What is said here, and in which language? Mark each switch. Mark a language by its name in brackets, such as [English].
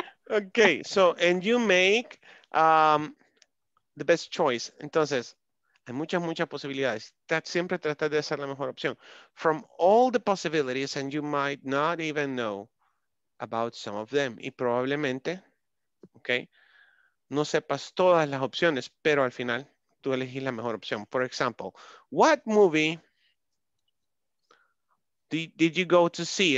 [English] Okay, so, and you make the best choice. [Spanish] Entonces, hay muchas, muchas posibilidades. That siempre trata de hacer la mejor opción. [English] From all the possibilities, and you might not even know about some of them. [Spanish] Y probablemente, okay, no sepas todas las opciones, pero al final tú elegís la mejor opción. [English] For example, what movie did you go to see?